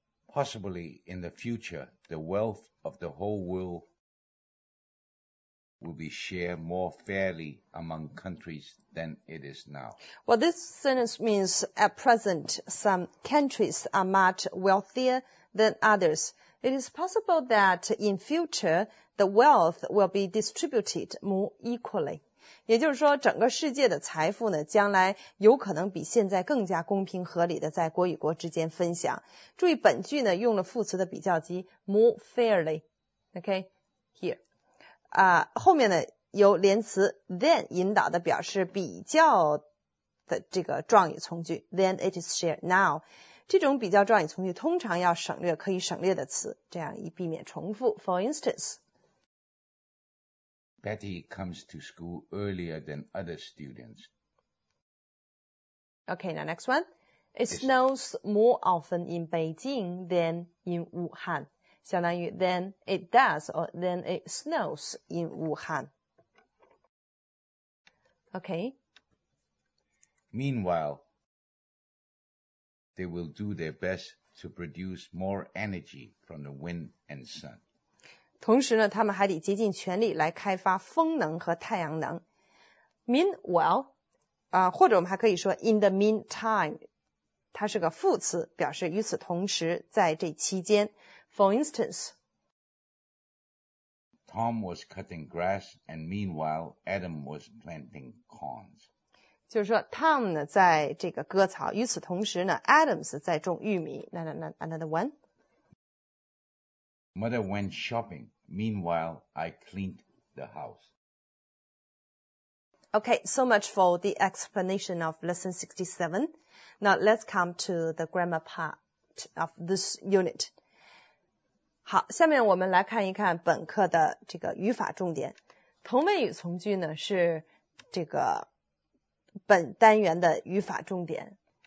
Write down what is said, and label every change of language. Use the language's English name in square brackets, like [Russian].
[English] Possibly in the future, the wealth of the whole world will be shared more fairly among countries than it is now. Well, this sentence means at present, some countries are much wealthier than others. It is possible that in future, the wealth will be distributed more equally. [Chinese] 也就是说整个世界的财富呢将来有可能比现在更加公平合理的在国与国之间分享。注意本句呢用了副词的比较级 [English] more fairly, okay, here. [Chinese] 后面呢由连词 than 引导的表示比较的这个状语从句 [English] than it is shared now. [Chinese] 这种比较状语从句通常要省略可以省略的词这样以避免重复。 [English] For instance, Betty comes to school earlier than other students. Okay, now next one. It snows more often in Beijing than in Wuhan. [Chinese] 相当于 [English] than it does or than it snows in Wuhan. Okay. Meanwhile, they will do their best to produce more energy from the wind and sun. [Chinese] 同时呢他们还得竭尽全力来开发风能和太阳能。 [English] Meanwhile, [Chinese] 或者我们还可以说 [English] in the meantime, [Chinese] 它是个副词表示与此同时在这期间。 [English] For instance, Tom was cutting grass and meanwhile Adam was planting corns. [Chinese] 就是说 Tom 呢在这个割草与此同时呢 Adams 在种玉米。 [English] Another one. Mother went shopping. Meanwhile, I cleaned the house. Okay, so much for the explanation of lesson 67. Now let's come to the grammar part of this unit. [Chinese] 好，下面我们来看一看本课的这个语法重点。同位语从句呢，是这个本单元的语法重点。